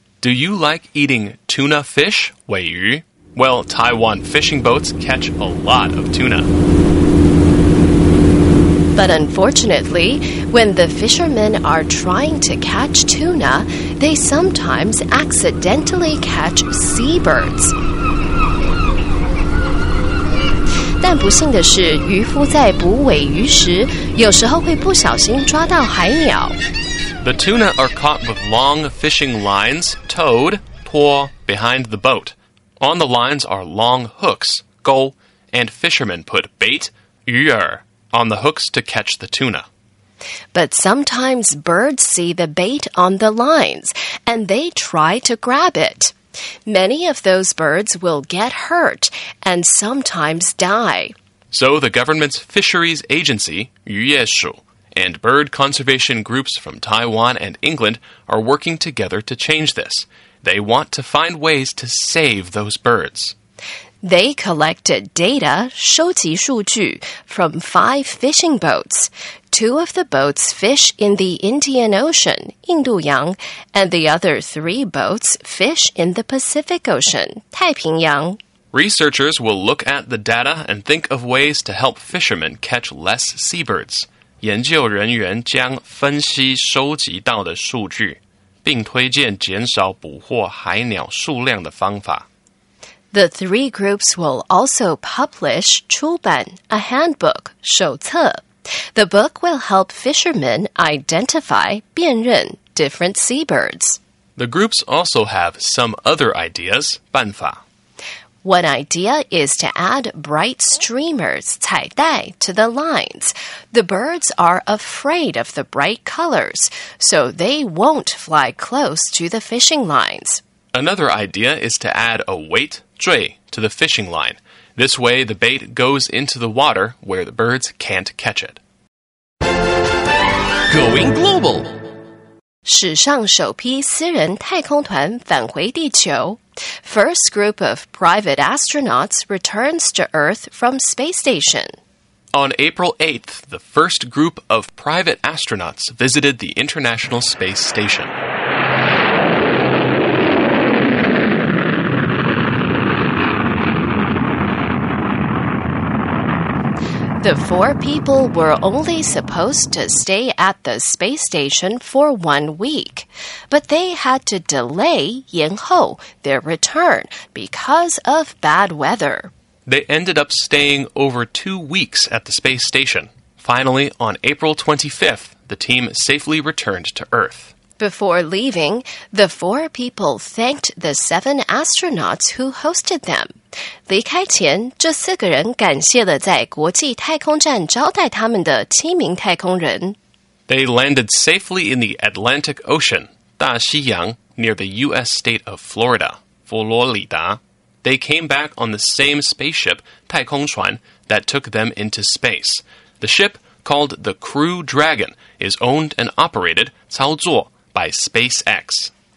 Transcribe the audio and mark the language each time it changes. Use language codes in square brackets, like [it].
[en] Do you like eating tuna fish, 鲔鱼?Well, Taiwan fishing boats catch a lot of tuna. But unfortunately, when the fishermen are trying to catch tuna, they sometimes accidentally catch seabirds. [zh] 但不幸的是，渔夫在捕鲔鱼时，有时候会不小心抓到海鸟。 [en] The tuna are caught with long fishing lines, towed, pulled behind the boat. On the lines are long hooks, 钩, and fishermen put bait, 鱼饵, on the hooks to catch the tuna. But sometimes birds see the bait on the lines, and they try to grab it. Many of those birds will get hurt and sometimes die. So the government's fisheries agency, 渔业署, and bird conservation groups from Taiwan and England are working together to change this. They want to find ways to save those birds. They collected data, 收集数据, from 5 fishing boats. 2 of the boats fish in the Indian Ocean, 印度洋, and the other 3 boats fish in the Pacific Ocean, 太平洋. Researchers will look at the data and think of ways to help fishermen catch less seabirds. [zh] 研究人员将分析收集到的数据,并推荐减少捕获海鸟数量的方法。 [en] The 3 groups will also publish 出版, a handbook, 手册. The book will help fishermen identify, 辨认, different seabirds. The groups also have some other ideas, 办法. One idea is to add bright streamers, 彩带, to the lines. The birds are afraid of the bright colors, so they won't fly close to the fishing lines. Another idea is to add a weight,stray to the fishing line. This way, the bait goes into the water where the birds can't catch it. Going global! [zh] 史上首批私人太空团返回地球。 [en] First group of private astronauts returns to Earth from space station. On April 8th, the first group of private astronauts visited the International Space Station. The 4 people were only supposed to stay at the space station for 1 week, but they had to delay 延后, their return because of bad weather. They ended up staying over 2 weeks at the space station. Finally, on April 25th, the team safely returned to Earth. Before leaving, the 4 people thanked the 7 astronauts who hosted them. [zh] 离开前，这四个人感谢了在国际太空站招待他们的七名太空人。 [en] They landed safely in the Atlantic Ocean, 大西洋, near the U.S. state of Florida, 佛罗里达.They came back on the same spaceship, 太空船, that took them into space. The ship, called the Crew Dragon, is owned and operated, 操作, by SpaceX.